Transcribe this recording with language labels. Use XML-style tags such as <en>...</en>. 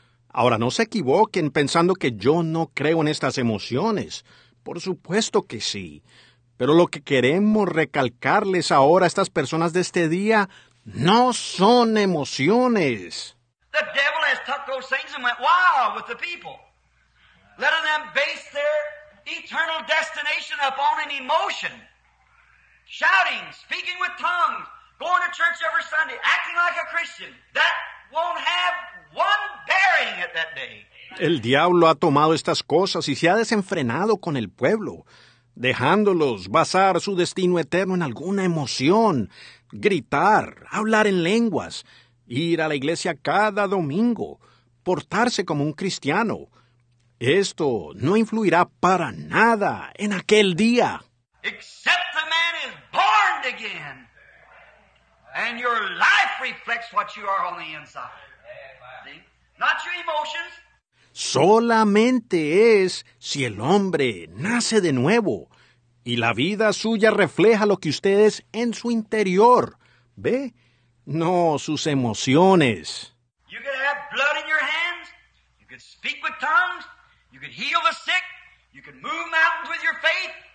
<es>Ahora no se equivoquen pensando que yo no creo en estas emociones. Por supuesto que sí. Pero lo que queremos recalcarles ahora a estas personas de este día no son emociones.</es> <en>The devil has took those things and went wild with the people. Letting them base their eternal destination upon an emotion. Shouting, speaking with tongues, going to church every Sunday, acting like a Christian. That won't have one bearing at that day.</en> <es>El diablo ha tomado estas cosas y se ha desenfrenado con el pueblo, dejándolos basar su destino eterno en alguna emoción, gritar, hablar en lenguas, ir a la iglesia cada domingo, portarse como un cristiano. Esto no influirá para nada en aquel día.</es> <en>Except the man is born again, and your life reflects what you are on the inside. Not your emotions.</en> <es>Solamente es si el hombre nace de nuevo y la vida suya refleja lo que usted es en su interior. ¿Ve? No sus emociones.</es> <en>You could have blood in your hands. You could speak with tongues. You could heal the sick. You could move mountains with your faith.</en>